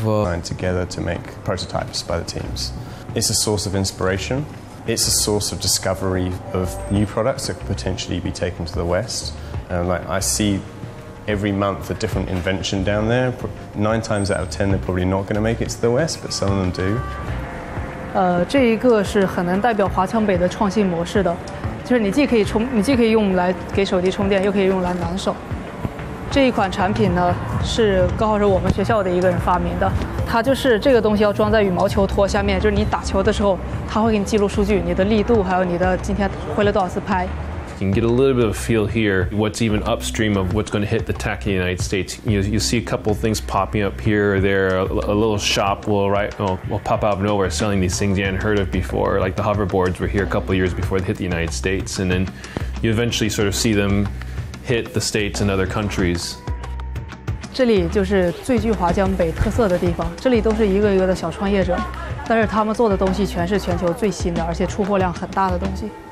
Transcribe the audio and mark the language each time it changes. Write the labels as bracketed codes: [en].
[en] Signed together to make prototypes by the teams. It's a source of inspiration. It's a source of discovery of new products that could potentially be taken to the West. And like, I see every month a different invention down there. 9 times out of 10, they're probably not going to make it to the West, but some of them do. [zh] 这一个是很能代表华强北的创新模式的，就是你既可以用来给手机充电，又可以用来暖手。这一款产品呢，是刚好是我们学校的一个人发明的，它就是这个东西要装在羽毛球托下面，就是你打球的时候，它会给你记录数据，你的力度，还有你的今天挥了多少次拍。 [en] You can get a little bit of feel here, what's even upstream of what's going to hit the tech in the United States. You see a couple things popping up here or there, a little shop will pop out of nowhere selling these things you hadn't heard of before, like the hoverboards were here a couple years before they hit the United States. And then you eventually sort of see them hit the states and other countries. [zh] 这里就是最具华江北特色的地方，这里都是一个一个的小创业者，但是他们做的东西全是全球最新的，而且出货量很大的东西。